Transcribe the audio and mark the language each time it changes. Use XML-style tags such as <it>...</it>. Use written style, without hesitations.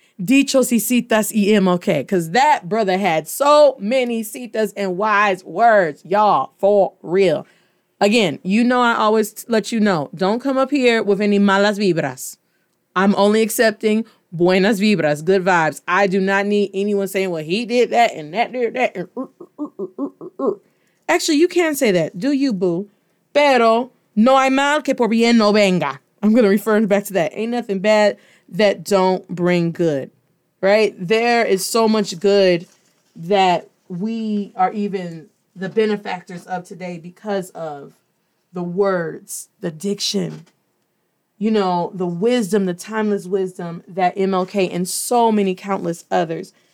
<es>Dichos y citas y MLK.</es> <en>Because that brother had so many citas and wise words. Y'all, for real. Again, you know I always let you know. Don't come up here with any</en> <es>malas vibras.</es> <en>I'm only accepting</en> <es>buenas vibras,</es> <en>good vibes. I do not need anyone saying, well, he did that and that did that. And Actually, you can say that. Do you, boo?</en> <es>Pero no hay mal que por bien no venga.</es> <en>I'm going to refer back to that. Ain't nothing bad that don't bring good, right? There is so much good that we are even the benefactors of today because of the words, the diction, you know, the wisdom, the timeless wisdom that MLK and so many countless others</en>